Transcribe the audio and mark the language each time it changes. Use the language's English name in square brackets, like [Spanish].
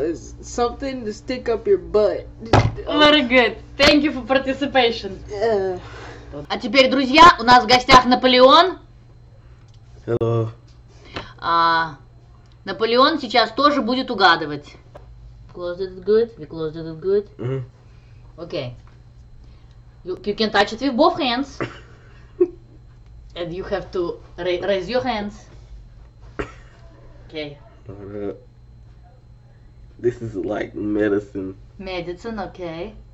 [English] It's something to stick up your butt. Very good. Thank you for participation. Yeah. [Russian] А теперь, друзья, у нас в гостях Наполеон. [English] Hello. [Russian] Наполеон сейчас тоже будет угадывать. [English] Closed it good? We closed it good? Mm-hmm. Okay. You can touch it with both hands. And you have to raise your hands. Okay. This is like medicine. Medicine, okay.